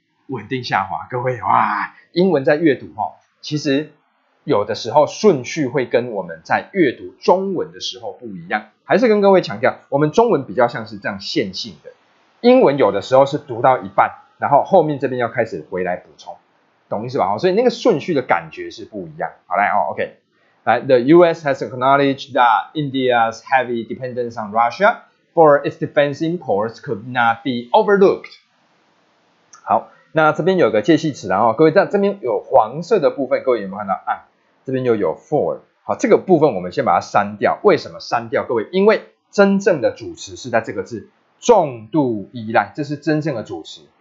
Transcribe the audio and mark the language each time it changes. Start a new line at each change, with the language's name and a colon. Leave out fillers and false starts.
Chinese: 稳定下滑，各位哇，英文在阅读其实有的时候顺序会跟我们在阅读中文的时候不一样，还是跟各位强调我们中文比较像是这样线性的，英文有的时候是读到一半然后后面这边要开始回来补充，懂意思吧？所以那个顺序的感觉是不一样。好来哦 ，OK， 来 ，The U.S.
English: has acknowledged that India's heavy dependence on Russia for its defense imports could not be overlooked。
Chinese: 好，那这边有个介系词，然后各位在这边有黄色的部分，各位有没有看到啊？这边又有 for， 好，这个部分我们先把它删掉。为什么删掉？各位，因为真正的主词是在这个字“重度依赖”，这是真正的主词。